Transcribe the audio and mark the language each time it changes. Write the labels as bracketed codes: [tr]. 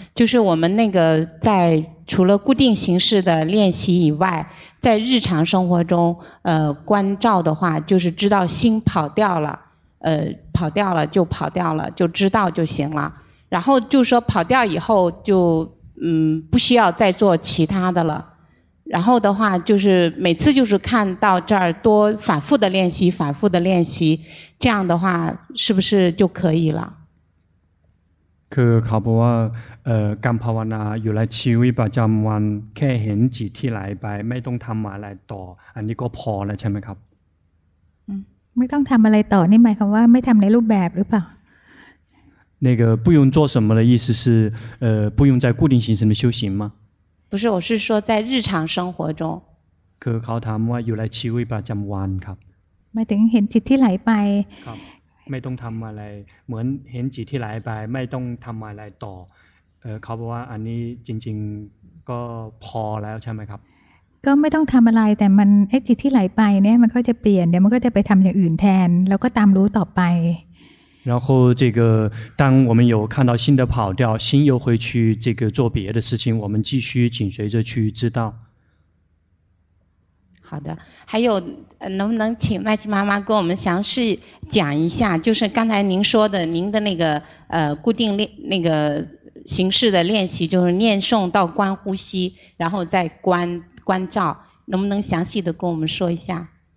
[zh] 就是我们那个在除了固定形式的练习以外，在日常生活中关照的话，就是知道心跑掉了就知道就行了，然后就说跑掉以后就不需要再做其他的了，然后的话就是每次就是看到这儿多反复的练习，这样的话是不是就可以了？可卡布啊 [th] การภาวนาอยู่ในชีวิตประจำวันแค่เห็นจิตที่ไหลไปไม่ต้องทำอะไรต่ออันนี้ก็พอแล้วใช่ไหมครับ ไม่ต้องทำอะไรต่อนี่หมายความว่าไม่ทำในรูปแบบหรือเปล่า [zh] 那个不用做什么的意思是不用在固定形式的修行吗不是我是说在日常生活中 [th] คือเขาถามว่าอยู่ในชีวิตประจำวันครับ หมายถึงเห็นจิตที่ไหลไป ครับไม่ต้องทำอะไรเหมือนเห็นจิตที่ไหลไปไม่ต้องทำอะไรต่อเขาบอกว่าอันนี้จริงๆก็พอแล้วใช่ไหมครับ ก็ไม่ต้องทำอะไรแต่มันไอ้จิตที่ไหลไปเนี่ยมันก็จะเปลี่ยนเดี๋ยวมันก็จะไปทำอย่างอื่นแทนแล้วก็ตามรู้ต่อไป [zh] 然后这个当我们有看到心的跑掉心又会去这个做别的事情我们继续紧随着去知道好的还有能不能请麦琪妈妈跟我们详细讲一下就是刚才您说的您的那个固定那个形式的练习就是念诵到观呼吸然后再观照能不能详细的跟我们说一下